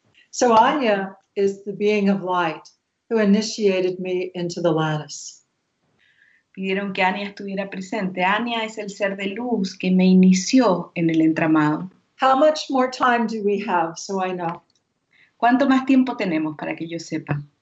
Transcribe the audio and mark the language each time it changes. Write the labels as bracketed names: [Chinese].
[English] So Anya is the being of light who initiated me into the lattice. [Spanish] Pidieron que Anya estuviera presente. Anya es el ser de luz que me inició en el entramado. [English] How much more time do we have so I know? [Spanish] ¿Cuánto más tiempo tenemos para que yo sepa?